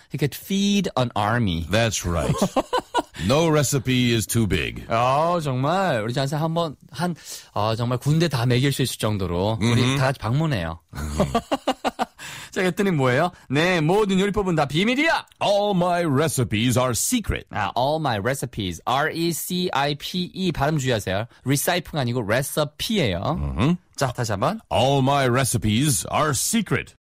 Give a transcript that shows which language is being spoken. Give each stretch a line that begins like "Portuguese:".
English: He could feed an army. That's right. No recipe is too big.
Korean: 아, 정말. 우리 자연쌤 정말 군대 다 먹일 수 있을 정도로 우리 다 같이 방문해요. 자, 그랬더니 뭐예요? 네, 모든 요리법은 다 비밀이야!
English: All my recipes are secret. 아, all my recipes.
Korean: R-E-C-I-P-E. 발음 주의하세요. Recipe가 아니고 recipe예요. Mm-hmm. 자, 다시 한 번.
English: All my recipes are secret.